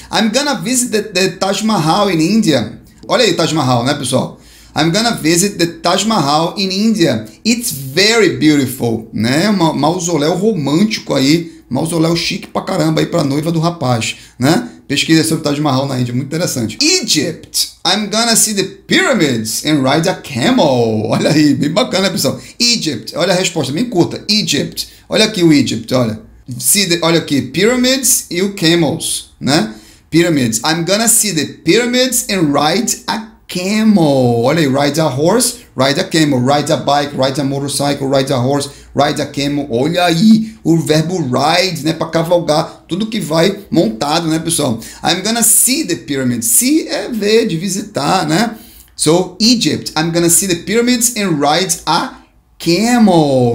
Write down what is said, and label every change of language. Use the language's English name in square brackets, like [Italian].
[English] I'm gonna visit the Taj Mahal in India. [Portuguese] Olha aí, Taj Mahal, né, pessoal? [English] I'm gonna visit the Taj Mahal in India. It's very beautiful, [Portuguese] né? Um mausoléu romântico aí. Mausoléu chique pra caramba aí pra noiva do rapaz, né? Pesquisa sobre Taj Mahal na Índia, muito interessante. [English] Egypt, I'm gonna see the pyramids and ride a camel. [Portuguese] Olha aí, bem bacana, pessoal. [English] Egypt, [Portuguese] olha a resposta, bem curta. Egypt, olha aqui o Egypt, olha. [English] See the, [Portuguese] olha aqui, pyramids e o camels, né? [English] Pyramids, I'm gonna see the pyramids and ride a camel. [Portuguese] Olha aí, [English] ride a horse, ride a camel, ride a bike, ride a motorcycle, ride a horse, ride a camel. [Portuguese] Olha aí o verbo ride, né, para cavalgar, tudo que vai montado, né, pessoal? [English] I'm gonna see the pyramids. [Portuguese] See é ver, de visitar, né? [English] So, Egypt, I'm gonna see the pyramids and ride a camel.